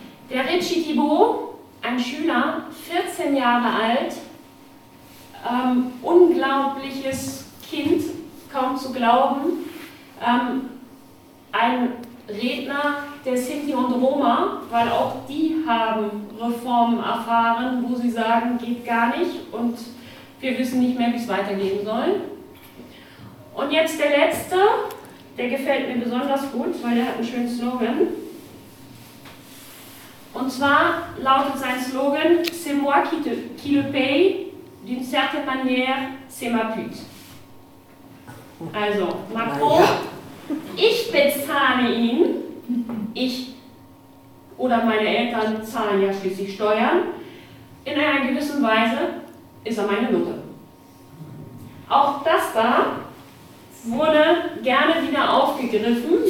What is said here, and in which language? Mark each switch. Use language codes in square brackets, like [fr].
[de] Der Richie Thibault, ein Schüler, 14 Jahre alt, unglaubliches Kind, kaum zu glauben, ein Redner der Sinti und Roma, weil auch die haben Reformen erfahren, wo sie sagen, geht gar nicht und wir wissen nicht mehr, wie es weitergehen soll. Und jetzt der letzte, der gefällt mir besonders gut, weil der hat einen schönen Slogan. Und zwar lautet sein Slogan: [fr] C'est moi qui le paye, d'une certaine manière, c'est ma pute. [de] Also, Macron, ich bezahle ihn, ich oder meine Eltern zahlen ja schließlich Steuern, in einer gewissen Weise ist er meine Mutter. Auch das da wurde gerne wieder aufgegriffen.